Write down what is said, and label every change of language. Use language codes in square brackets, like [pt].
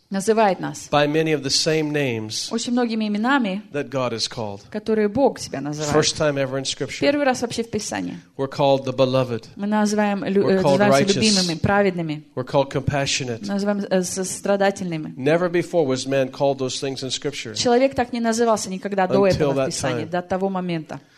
[ru] называет нас, [en] by many of the same names, [ru] очень многими именами, [en] that God is called, [ru] которые Бог себя называет. [en] First time ever in Scripture, [ru] первый раз вообще в Писании, [en] we're called the beloved, [ru] мы называем, называемся любимыми, праведными, [en] we're called compassionate, [ru] называем сострадательными. [en] Never before was man called those things in Scripture. [ru] Человек так не назывался никогда до этого в Писании, до того момента.